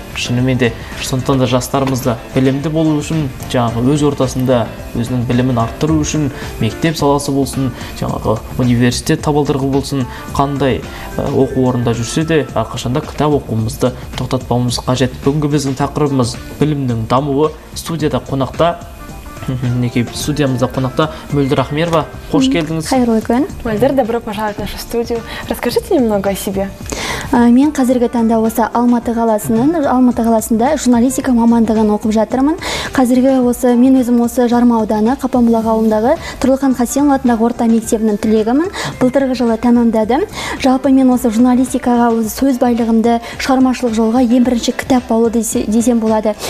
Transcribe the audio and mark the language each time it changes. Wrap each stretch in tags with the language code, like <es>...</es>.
<kk>Шынымен де сондықтан да жастарымызды білімді болу үшін, жаңағы өз ортасында өзінің білімін арттыру үшін мектеп саласы болсын, жаңағы университет табалдырығы болсын, қандай оқу орында жүрсе де әрқашанда кітап оқуымызды тоқтатпауымыз қажет. Бүгінгі біздің тақырыбымыз білімнің дамуы. Студияда қонақта Мөлдір Ахмерова, қош келдіңіз. Қайырлы күн.</kk> <ru>Мөлдір, добро пожаловать в нашу студию. Расскажите немного о себе.</ru> <kk>Мен қазіргі таңда осы Алматы қаласында журналистика мамандығын оқып жатырмын. Қазіргі осы, мен өзім осы Жарма ауданы, Қапанбұлақ ауылындағы Тұрлыхан Хасен атындағы орта мектебінің түлегімін. Былтырғы жылы тәмамдадым. Жалпы мен осы журналистикаға, өз сөз байлығымды, шығармашылық жолға ең бірінші кітап алу десем болады.</kk>